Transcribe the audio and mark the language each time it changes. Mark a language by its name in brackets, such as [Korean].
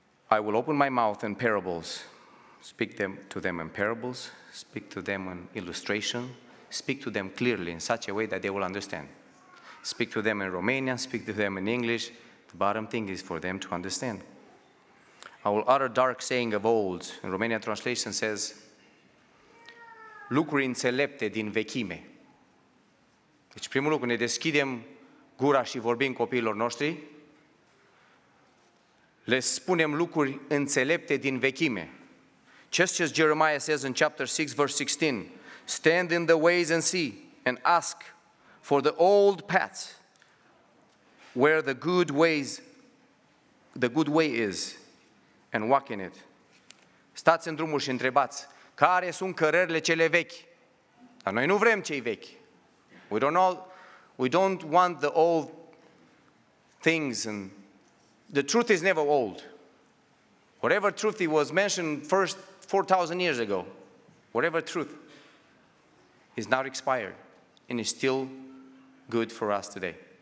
[English] I will open my mouth in parables, speak them to them in parables, speak to them in illustration, speak to them clearly in such a way that they will understand. Speak to them in Romanian, speak to them in English. The bottom thing is for them to understand. I will utter dark saying of old. In Romanian translation says, [Romanian] lucruri înțelepte din vechime. Deci primul lucru, ne deschidem gura și vorbim copiilor noștri, le spunem lucruri înțelepte din vechime. [English] Just as Jeremiah says in chapter 6, verse 16, stand in the ways and see and ask for the old paths where the good way is and walk in it. [Romanian] Stați în drumul și întrebați, care sunt cărările cele vechi? Dar noi nu vrem cei vechi. [English] We don't want the old things, and the truth is never old. Whatever truth was mentioned first 4,000 years ago, whatever truth is not expired and is still good for us today.